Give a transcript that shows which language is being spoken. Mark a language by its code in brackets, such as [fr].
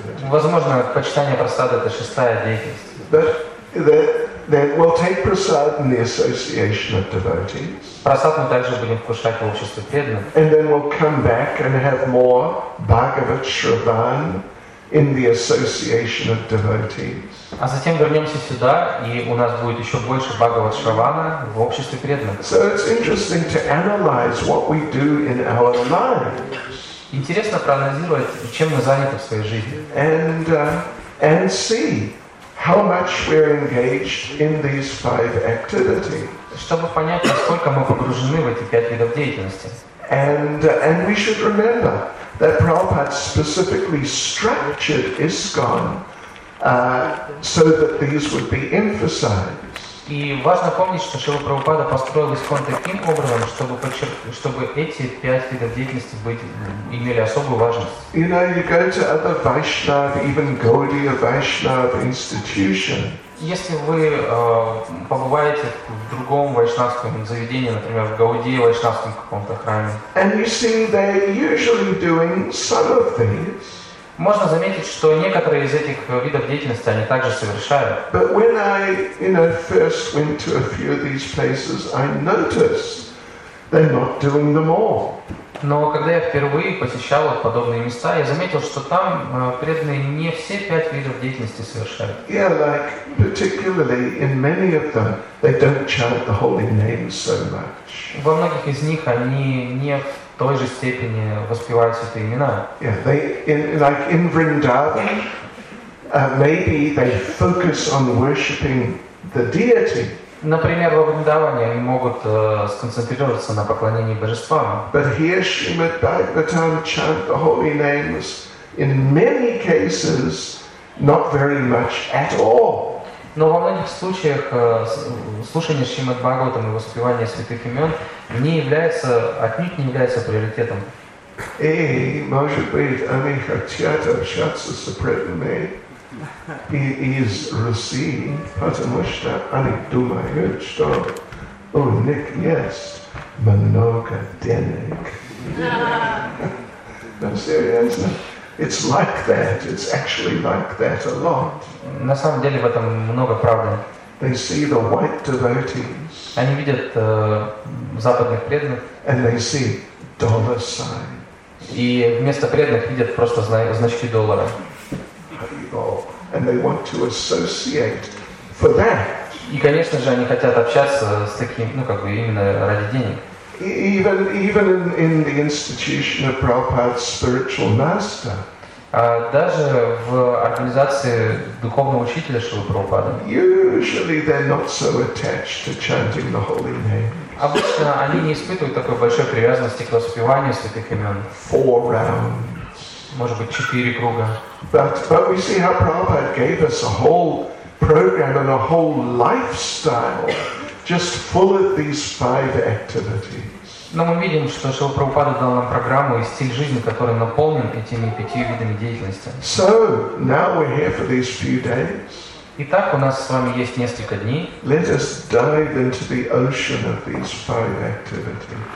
[ru] Возможно, почитание просада – это шестая деятельность. [en] Then we'll take prasad in the association of devotees. [ru] Prasad мы также будем вкушать в обществе преданных. [en] And then we'll come back and have more Bhagavat Shravan in the association of devotees. [ru] А затем вернемся сюда, и у нас будет еще больше Бхагават Шравана в обществе преданных. [en] So it's interesting to analyze what we do in our lives. [ru] Интересно проанализировать, чем мы заняты в своей жизни. [en] And see. How much we're engaged in these five activities? [ru] Чтобы понять, насколько мы погружены в эти пять видов деятельности. [en] And we should remember that Prabhupada specifically structured ISKCON so that these would be emphasized. [ru] И важно помнить, что Шрила Прабхупада построил ИСККОН таким образом, чтобы эти пять видов деятельности имели особую важность. [en] You know, you go to other Vaishnav, even Gaudiya Vaishnav institution. [ru] Если вы побываете в другом вайшнавском заведении, например, в Гаудии вайшнавском каком-то храме, [en] and you see they're usually doing some of these. [ru] Можно заметить, что некоторые из этих видов деятельности они также совершают. [en] But when I, you know, first went to a few of these places, I noticed they're not doing them all. [ru] Но когда я впервые посещал подобные места, я заметил, что там преданные не все пять видов деятельности совершают. [en] Yeah, like particularly in many of them, they don't chant the holy name so much. [ru] Во многих из них они не в той же степени воспевают святые имена. [en] Yeah, they like in Vrindavan, maybe they focus on worshiping the deity. [ru] Например, во Вриндаване они могут сконцентрироваться на поклонении божествам. [en] But here Srimad Bhagavatam chant the holy names in many cases not very much at all. [ru] Но во многих случаях слушание Шримад Бхагаватам и воспевание святых имен не является, отнюдь не является приоритетом. И, может быть, они хотят общаться с преданными из России, потому что они думают, что у них есть много денег. Но серьезно. [en] It's like that. It's actually like that a lot. [ru] На самом деле в этом много правды. [en] They see the white devotees. [ru] Они видят западных преданных. [en] And they see dollar signs. [ru] И вместо преданных видят просто значки доллара. [en] And they want to associate for that. [ru] И конечно же они хотят общаться с таким, ну как бы именно ради денег. [en] Even in the institution of Prabhupada's spiritual master. [ru] Даже в организации духовного учителя Шрилы Прабхупады. [en] Usually they're not so attached to chanting the holy name. [ru] Обычно они не испытывают такой большой привязанности к воспеванию святых имен. [en] Four rounds. [ru] Может быть, четыре круга. [en] But we see how Prabhupada gave us a whole program and a whole lifestyle. Just full of these five activities. [ru] Но мы видим, что Шрила Прабхупада дал нам программу и стиль жизни, который наполнен этими пятью видами деятельности. [en] So now we're here for these few days. [ru] Итак, у нас с вами есть несколько дней. [en] Let us dive into the ocean of these five activities.